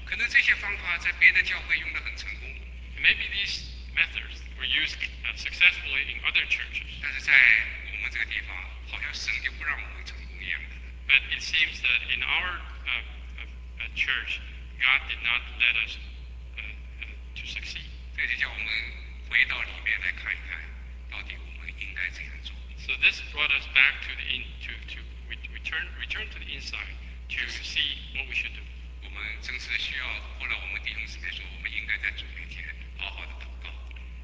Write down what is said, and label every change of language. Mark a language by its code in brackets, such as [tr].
[zh] 可能这些方法在别的教会用得很成功。 [en] Maybe these methods were used successfully in other churches. [zh] 但是在我们这个地方，好像神就不让我们成功一样的。 [en] But it seems that in our church, God did not let us. To succeed. [zh] 这就叫我们回到里面来看一看，到底我们应该怎样做。 [en] So this brought us back to the in to return to the inside to see what we should do. [zh] 我们正是需要，后来我们弟兄姊妹说，我们应该在主面前好好的祷告。